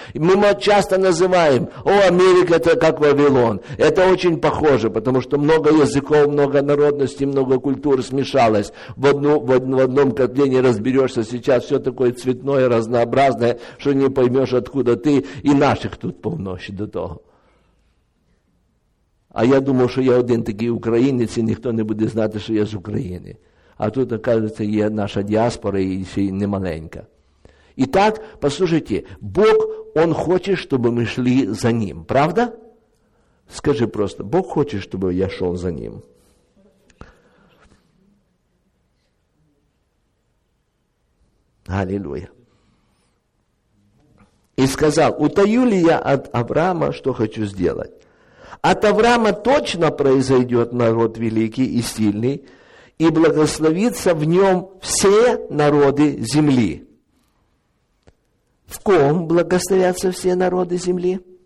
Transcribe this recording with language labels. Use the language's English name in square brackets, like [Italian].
[Russian] Мы часто называем, о, Америка это как Вавилон. Это очень похоже, потому что много языков, много народностей, много культур смешалось. В одном котле не разберешься, сейчас все такое цветное, разнообразное, что не поймешь, откуда ты, и наших тут полно еще до того. [Ukrainian] А я думал, що я один такий українець, і ніхто не буде знати, що я з України. А тут, оказується, є наша діаспора, і ще й не маленька. І так, послухайте, Бог, Он хоче, щоб ми йшли за Ним. Правда? Скажи просто, Бог хоче, щоб я йшов за Ним. Алілуя. І сказав, [Russian] утаю ли я [Ukrainian] від Авраама, що хочу зробити? [Russian] От Авраама точно произойдет народ великий и сильный, и благословится в нем все народы земли. В ком благословятся все народы земли?